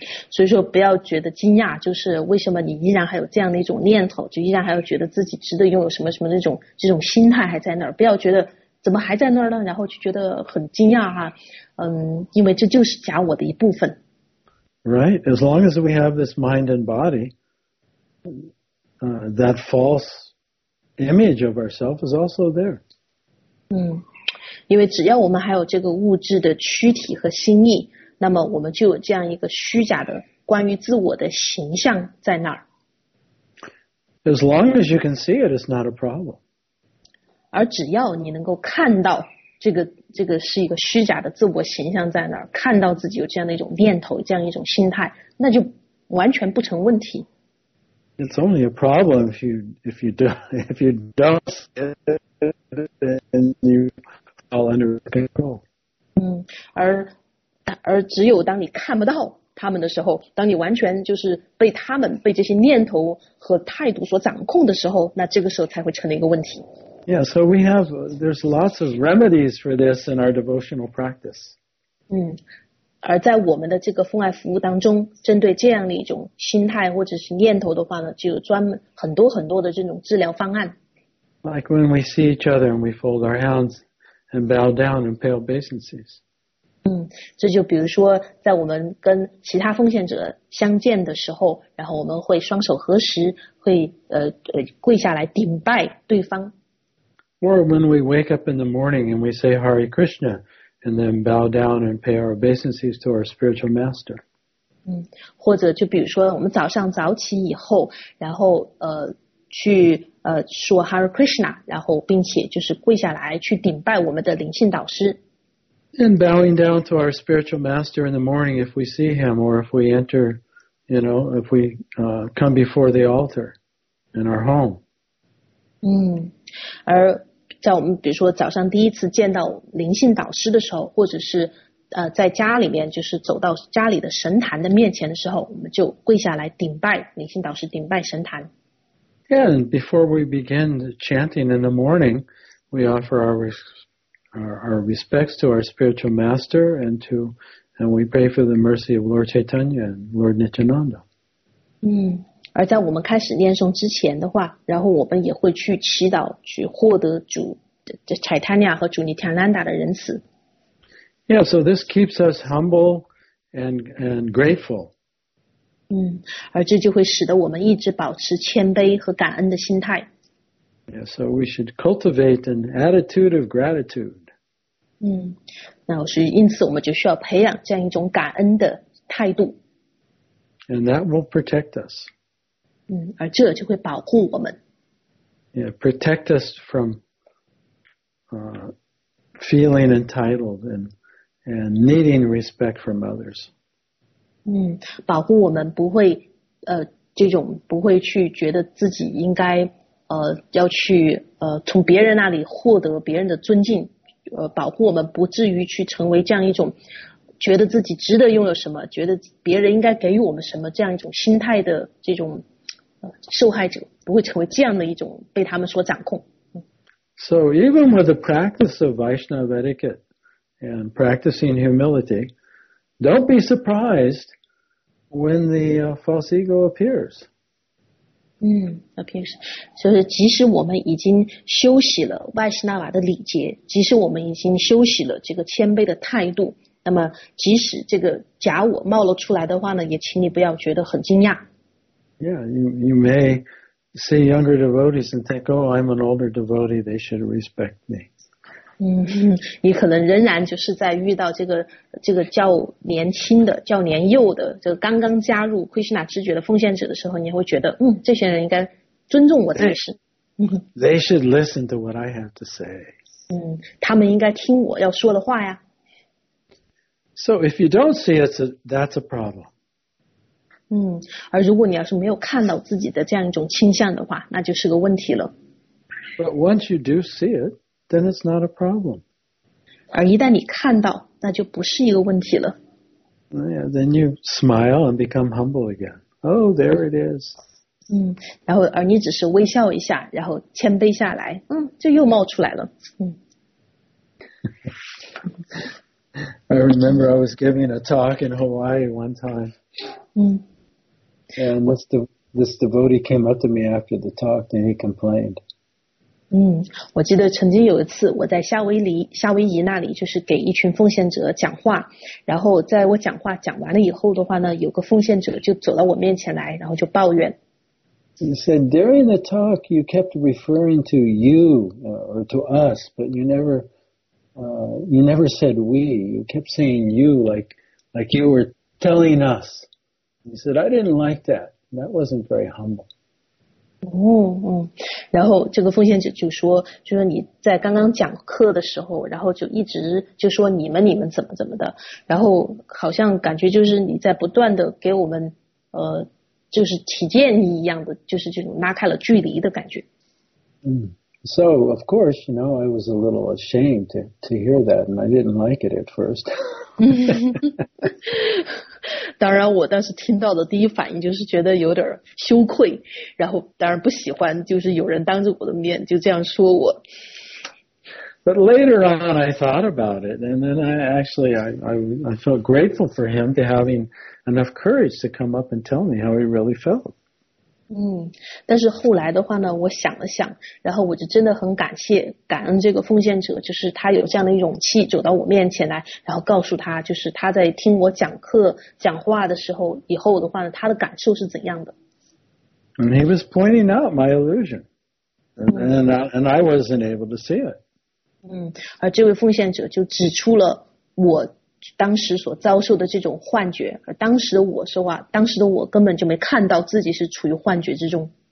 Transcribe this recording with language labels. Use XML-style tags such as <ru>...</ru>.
<zh>所以说不要觉得惊讶，就是为什么你依然还有这样的一种念头，就依然还有觉得自己值得拥有什么什么这种心态还在那儿，不要觉得怎么还在那儿呢，然后就觉得很惊讶哈。因为这就是假我的一部分。</zh> <en>Right, as long as we have this mind and body, that false image of ourselves is also there.</en> <zh>因为只要我们还有这个物质的躯体和心意，那么我们就有这样一个虚假的关于自我的形象在那儿。</zh> <en>As long as you can see it, it's not a problem.</en> <zh>而只要你能够看到这个是一个虚假的自我形象在那儿，看到自己有这样的一种念头，这样一种心态，那就完全不成问题。</zh> <en>It's only a problem if you don't see it, then you fall under control.</en> <zh>而只有当你看不到他们的时候，当你完全就是被他们被这些念头和态度所掌控的时候，那这个时候才会成了一个问题。</zh> <en>Yeah, so we have, there's lots of remedies for this in our devotional practice.</en> <zh>而在我们的这个奉爱服务当中，针对这样的一种心态或者是念头的话呢，就有专门很多很多的这种治疗方案。</zh> <en>Like when we see each other and we fold our hands and bow down and pay obeisances.</en> <zh>这就比如说在我们跟其他奉献者相见的时候，然后我们会双手合十，会跪下来顶拜对方。</zh> <en>Or when we wake up in the morning and we say Hare Krishna and then bow down and pay our obeisances to our spiritual master.</en> <zh>或者就比如说我们早上早起以后，然后去说 Hare Krishna， 然后并且就是跪下来去顶拜我们的灵性导师。</zh> <en>And bowing down to our spiritual master in the morning if we see him or if we enter, you know, if we come before the altar in our home.</en> <zh>而在我们比如说早上第一次见到灵性导师的时候，或者是在家里面就是走到家里的神坛的面前的时候，我们就跪下来顶拜灵性导师，顶拜神坛。</zh> <en>Yeah, and before we begin the chanting in the morning, we offer our respects to our spiritual master and we pray for the mercy of Lord Chaitanya and Lord Nityananda.</en> <zh>而在我们开始念诵之前的话，然后我们也会去祈祷，去获得主这 Chaitanya 和主 Nityananda 的仁慈。</zh> <en>Yeah, so this keeps us humble and grateful.</en> <zh>而这就会使得我们一直保持谦卑和感恩的心态。</zh> <en>Yeah, so we should cultivate an attitude of gratitude.</en> <zh>因此我们就需要培养这样一种感恩的态度。</zh> <en>And that will protect us.</en> <zh>而这就会保护我们。</zh> <en>Yeah, protect us from feeling entitled and needing respect from others.</en> <zh>保护我们不会这种不会去觉得自己应该要去从别人那里获得别人的尊敬，保护我们不至于去成为这样一种觉得自己值得拥有什么，觉得别人应该给予我们什么这样一种心态的这种受害者，不会成为这样的一种被他们所掌控。</zh> <en>So even with the practice of Vaishnava etiquette and practicing humility, don't be surprised when the false ego appears. Appears.</en> <zh>就是即使我们已经修习了外斯纳瓦的礼节，即使我们已经修习了这个谦卑的态度，那么即使这个假我冒了出来的话呢，也请你不要觉得很惊讶。</zh> <en>Yeah, you may see younger devotees and think, oh, I'm an older devotee, they should respect me.</en> <zh>你可能仍然就是在遇到这个较年轻的、较年幼的、这个刚刚加入 Krishna 知觉的奉献者的时候，你会觉得，这些人应该尊重我才是。</zh> <en>They should listen to what I have to say.</en> <zh>他们应该听我要说的话呀。</zh> <en>So if you don't see it, that's a problem.</en> <zh>而如果你要是没有看到自己的这样一种倾向的话，那就是个问题了。</zh> <en>But once you do see it,then it's not a problem.</en> <zh>而一旦你看到，那就不是一个问题了。</zh> <en>Yeah, then you smile and become humble again. Oh, there it is.</en> <zh>然后而你只是微笑一下，然后谦卑下来，就又冒出来了。</zh> <en>I remember I was giving a talk in Hawaii one time. And this devotee came up to me after the talk and he complained.</en> <zh>我记得曾经有一次我在夏威夷那里就是给一群奉献者讲话，然后在我讲话讲完了以后的话呢，有个奉献者就走到我面前来，然后就抱怨。</zh> <en>He said, during the talk, you kept referring to you, or to us, but you never said we. You kept saying you, like you were telling us. He said, I didn't like that. That wasn't very humble.</en> <zh>然后这个奉献者就说，就是你在刚刚讲课的时候，然后就一直就说你们怎么怎么的，然后好像感觉就是你在不断的给我们就是提建议一样的，就是这种拉开了距离的感觉。</zh> <en>So of course, you know, I was a little ashamed to hear that, and I didn't like it at first.</en> <zh>当然我当时听到的第一反应就是觉得有点羞愧，然后当然不喜欢就是有人当着我的面就这样说我。</zh> <en>But later on I thought about it, and then I felt grateful for him to having enough courage to come up and tell me how he really felt.</en> <zh>但是后来的话呢，我想了想，然后我就真的很感恩这个奉献者，就是他有这样的勇气走到我面前来，然后告诉他就是他在听我讲课讲话的时候以后的话呢，他的感受是怎样的。</zh> <en>And he was pointing out my illusion, and I wasn't able to see it.</en> <zh>而这位奉献者就指出了我当时所遭受的这种幻觉，而当时的我说话，当时的我根本就没看到自己是处于幻觉之中。</zh>